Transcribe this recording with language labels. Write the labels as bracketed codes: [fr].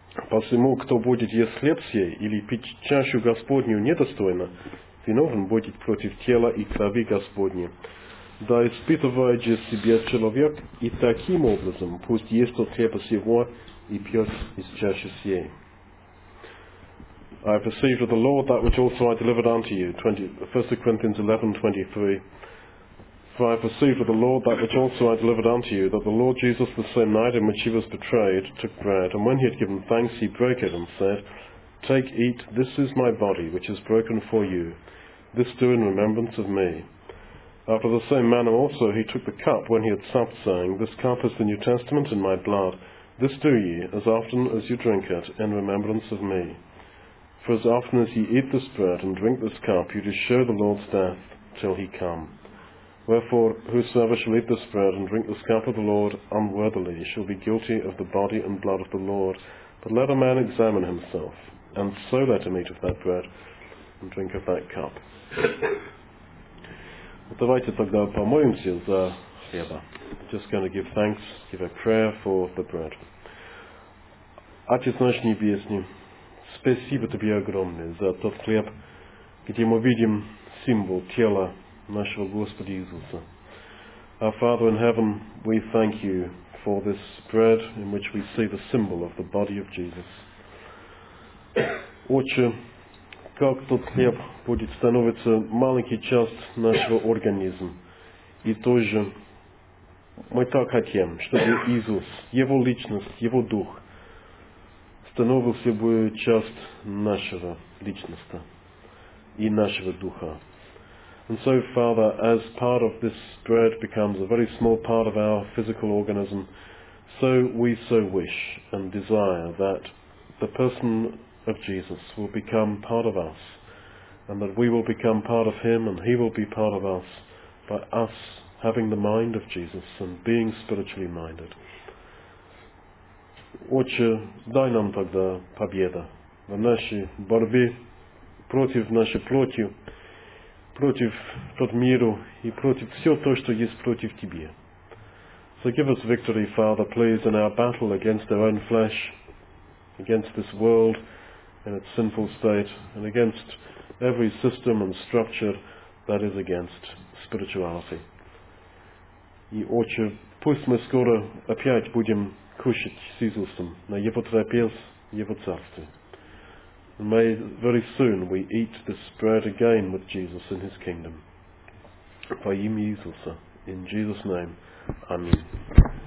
[ru] Посему, кто будет есть хлеб сей или пить чашу Господню недостойно, виновен будет против тела и крови Господни. Да испытывает же себе человек, и таким образом пусть ест от хлеба сего и пьет из чаши сей. [en] I have received of the Lord that which also I delivered unto you. 1 Corinthians 11:23. For I have received of the Lord that which also I delivered unto you, that the Lord Jesus the same night in which he was betrayed took bread, and when he had given thanks, he broke it and said, Take, eat, this is my body, which is broken for you. This do in remembrance of me. After the same manner also he took the cup when he had supped, saying, This cup is the New Testament in my blood. This do ye, as often as you drink it, in remembrance of me. For as often as ye eat this bread and drink this cup, you do show the Lord's death till he come. Wherefore, whosoever shall eat this bread and drink this cup of the Lord unworthily shall be guilty of the body and blood of the Lord. But let a man examine himself, and so let him eat of that bread and drink of that cup. [ru] Давайте тогда помолимся за хлеба. [en] Just going to give thanks, give a prayer for the bread. [ru] Отец наш небесный, спасибо Тебе огромное за тот хлеб, где мы видим символ тела нашего Господа Иисуса. [en] Our Father in heaven, we thank you for this bread in which we see the symbol of the body of Jesus. [ru] Отче, как тот хлеб будет становиться маленькой частью нашего организма. И тоже мы так хотим, чтобы Иисус, Его личность, Его дух, становился бы часть нашего личности и нашего духа. [en] And so, Father, as part of this bread becomes a very small part of our physical organism, so we so wish and desire that the person of Jesus will become part of us, and that we will become part of him and he will be part of us by us having the mind of Jesus and being spiritually minded. [ru] Отче, дай нам тогда победа в нашей борьбе против нашей плоти, против тот миру и против все то, что есть против Тебя. [en] So give us victory, Father, please, in our battle against our own flesh, against this world in its sinful state, and against every system and structure that is against spirituality. [ru] И Отче, пусть мы скоро опять будем кушать с Иисусом на Его трапез, Его царстве. [en] And may very soon we eat this bread again with Jesus in his kingdom. [ru] Во имя Иисуса, [en] in Jesus' name, Amen.